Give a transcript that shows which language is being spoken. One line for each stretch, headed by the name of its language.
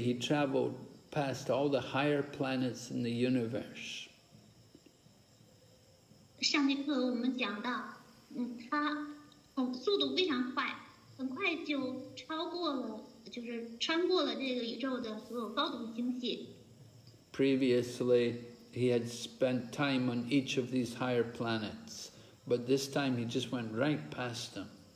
English: He traveled past all the higher planets in the universe.
Chinese: 上节课我们讲到，他速度非常快，很快就超过了，就是穿过了这个宇宙的所有高等星系。
English: Previously, he had spent time on each of these higher planets, but this time he just went right past them.